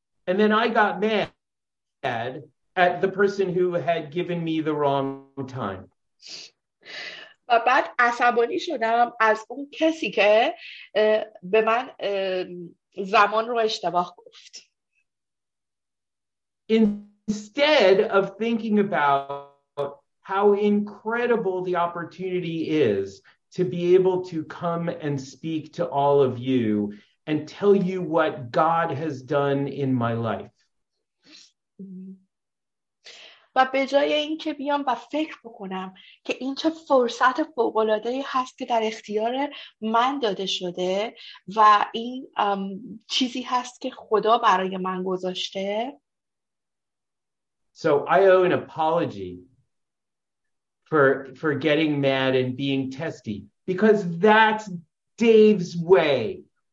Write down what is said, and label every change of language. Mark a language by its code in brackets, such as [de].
[en] And then I got mad at the person who had given me the wrong time. [fa] و بعد عصبانی شدم از اون کسی که به من زمان رو اشتباه گفت. [en] Instead of thinking about how incredible the opportunity is to be able to come and speak to all of you and tell you what God has done in my life. [fa] و به جای این که بیام و فکر بکنم که این چه فرصت فوق‌العاده‌ای هست که در اختیار من داده شده و این چیزی هست که خدا برای من گذاشته. [en] So I owe an apology for getting mad and being testy because that's Dave's way.